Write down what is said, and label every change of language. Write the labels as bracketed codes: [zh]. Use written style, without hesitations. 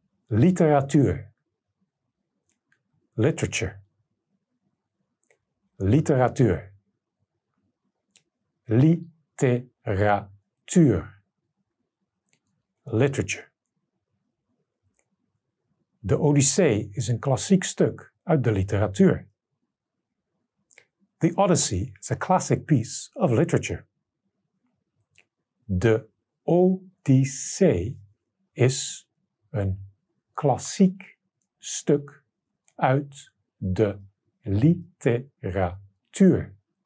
[nl] Literatuur. Literature. Literatuur. Literatuur. Literature. De Odyssee is een klassiek stuk uit de literatuur. [en] The Odyssey is a classic piece of literature. [nl] De Odyssee is een klassiek stuk uit de literatuur.